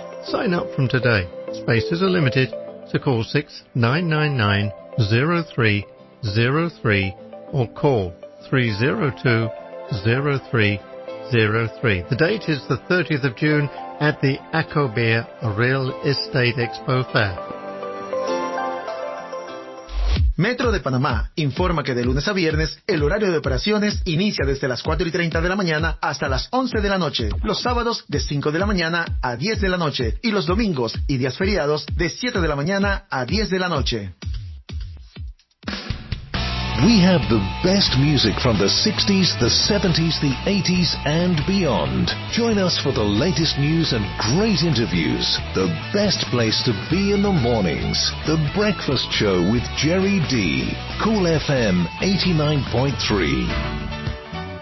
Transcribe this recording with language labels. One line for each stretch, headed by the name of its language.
English: Sign up from today. Spaces are limited, so call 6999-0303 or call 302-0303. The date is the 30th of June at the Acobea Real Estate Expo Fair.
Spanish: Metro de Panamá informa que de lunes a viernes el horario de operaciones inicia desde las 4:30 de la mañana hasta las 11 de la noche, los sábados de 5 de la mañana a 10 de la noche y los domingos y días feriados de 7 de la mañana a 10 de la noche.
English: We have the best music from the 60s, the 70s, the 80s, and beyond. Join us for the latest news and great interviews. The best place to be in the mornings. The Breakfast Show with Jerry D. Cool FM 89.3.